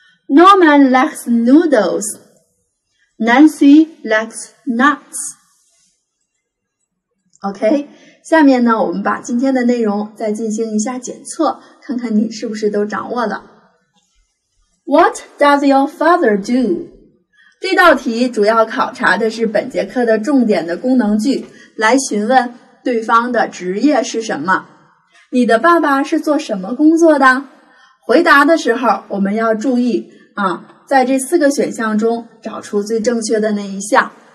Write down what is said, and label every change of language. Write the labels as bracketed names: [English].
[English] Norman likes noodlesNancy likes nuts. [Chinese] OK, 下面呢我们把今天的内容再进行一下检测，看看你是不是都掌握了。 [English] What does your father do? [Chinese] 这道题主要考察的是本节课的重点的功能句，来询问对方的职业是什么。你的爸爸是做什么工作的？回答的时候我们要注意啊，在这四个选项中找出最正确的那一项。